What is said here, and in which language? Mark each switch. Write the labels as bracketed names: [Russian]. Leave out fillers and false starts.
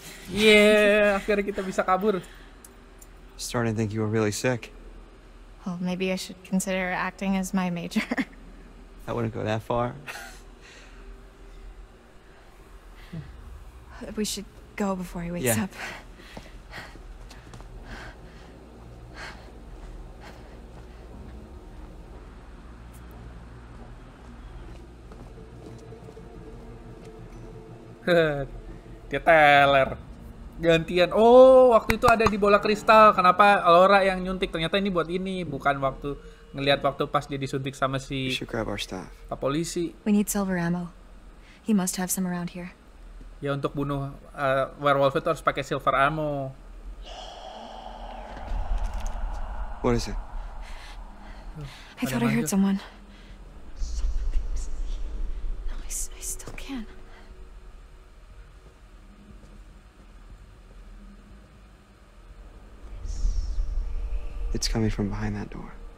[Indonesian] Yeah, akhirnya kita bisa kabur. [English] Starting to think you were really sick. Well, maybe I should consider acting as my major. I wouldn't go that far. We should go before he wakes up. [Indonesian] Dia teler. Gantian. Oh, waktu itu ada di bola kristal. Kenapa Laura yang nyuntik? Ternyata ini buat ini, bukan waktu ngelihat waktu pas dia disuntik sama si Pak Polisi. [English] We need silver ammo. He must have some around here. [Indonesian] Ya untuk bunuh werewolf itu harus pakai silver ammo. [English] What is it? I thought I heard someone. No, I still can't. It's coming from behind that door.